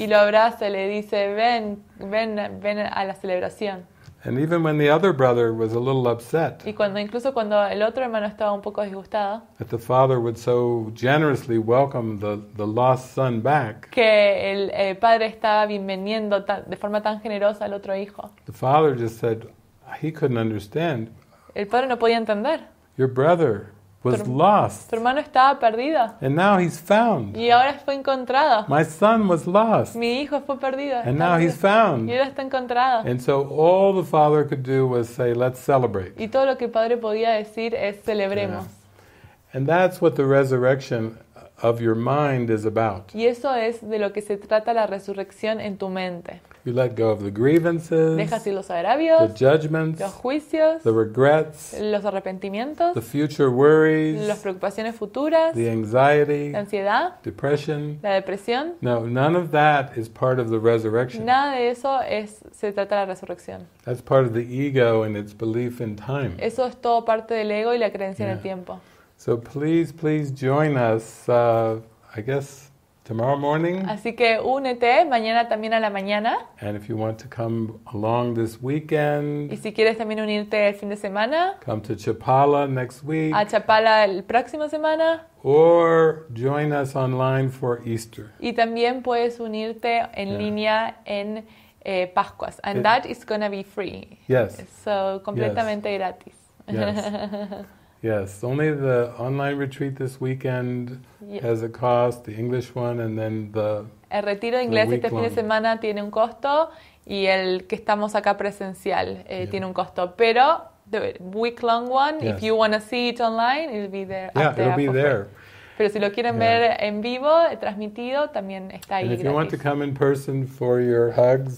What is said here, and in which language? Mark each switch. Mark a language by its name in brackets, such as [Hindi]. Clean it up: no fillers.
[Spanish] Y lo abraza, le dice, ven, ven, ven a la celebración. [English] And even when the other brother was a little upset. [Spanish] Y cuando incluso cuando el otro hermano estaba un poco disgustado. [English] That the father would so generously welcome the lost son back. [Spanish] Que el padre estaba bienveniendo de forma tan generosa al otro hijo. [English] The father just said he couldn't understand. [Spanish] El padre no podía entender. [English] Your brother was lost. [Spanish] Tu hermano estaba perdido. [English] And now he's found. [Spanish] Y ahora fue encontrado. [English] My son was lost. [Spanish] Mi hijo fue perdido. [English] And now he's found. [Spanish] Y ahora está encontrado. [English] And so all the father could do was say, let's celebrate. [Spanish] Y todo lo que el padre podía decir es celebremos. [English] Yeah. And that's what the resurrection of your mind is about. [Spanish] Y eso es de lo que se trata la resurrección en tu mente. [English] You let go of the grievances, [Spanish] dejas ir los agravios, [English] the judgments, [Spanish] los juicios, [English] the regrets, [Spanish] los arrepentimientos, [English] the future worries, [Spanish] las preocupaciones futuras, [English] the anxiety, [Spanish] la ansiedad, [English] depression, [Spanish] la depresión. [English] No, none of that is part of the resurrection. [Spanish] Nada de eso es, se trata de la resurrección. [English] That's part of the ego and its belief in time. [Spanish] Eso es todo parte del ego y la creencia en el tiempo. [English] So please, please join us, I guess, tomorrow morning. [Spanish] Así que únete mañana también a la mañana. [English] And if you want to come along this weekend. [Spanish] Y si quieres también unirte el fin de semana. [English] Come to Chapala next week. [Spanish] A Chapala el próximo semana. [English] Or join us online for Easter. [Spanish] Y también puedes unirte en línea en Pascuas. [English] And it, that is going to be free. Yes. [Spanish] So completamente yes. Gratis. [English] Yes. Yes, only the online retreat this weekend has a cost, the English one, and then the [Spanish] el retiro de inglés este fin de semana tiene un costo, y el que estamos acá presencial tiene un costo. [English] Pero the week-long one, if you want to see it online, it'll be there. Yeah, it'll be there. [Spanish] Pero si lo quieren ver en vivo, transmitido, también está ahí. [English] And if you want to come in person for your hugs,